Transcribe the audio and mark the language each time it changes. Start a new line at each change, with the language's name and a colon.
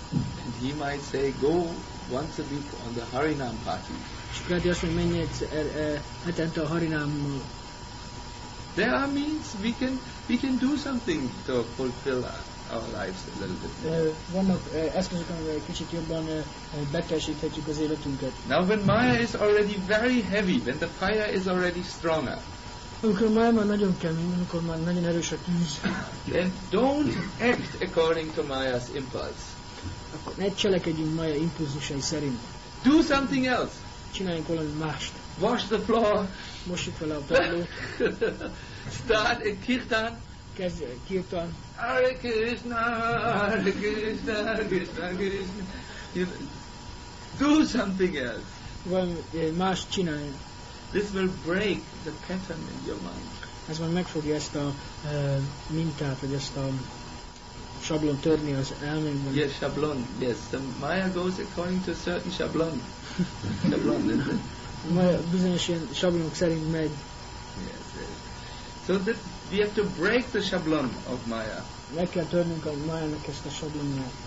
English: And he might say, go once a week on the Harinam party.
Hungarian: És Prabhu azt mondja, menjél hetente a Harinammal.
English: There are means we can do something to fulfill our lives a little bit.
Hungarian: Vannak eszközök, amivel kicsit jobban beteljesíthetjük az életünket.
English: Now when Maya is already very heavy, when the fire is already stronger.
Hungarian: Amikor Maya már nagyon kemény, amikor már nagyon erős a tűz.
English: Then don't act according to Maya's impulse.
Hungarian: Akkor ne cselekedjünk Maya impulzusai szerint.
English: Do something else.
Hungarian: Csináljunk valami mást.
English: Wash the floor.
Hungarian: Mossuk fel a padlót.
English: Start a kirtan.
Hungarian: Kezdj el kirtan.
Sanskrit: Hare Krishna, Hare Krishna, Krishna Krishna.
English: Do something else.
Hungarian: Valami más csináljunk.
English: This will break the pattern in your mind.
Hungarian: Ez majd megfogja ezt a mintát, vagy ezt a sablon törni az elménkben.
English: Yes, sablon. Yes, the Maya goes according to a certain sablon. Sablon, isn't it?
Hungarian: Maja bizonyos ilyen sablonok szerint megy.
English: Yes, yes. So that we have to break the sablon of Maya.
Hungarian: Meg kell törnünk a Maya-nak ezt a sablonját.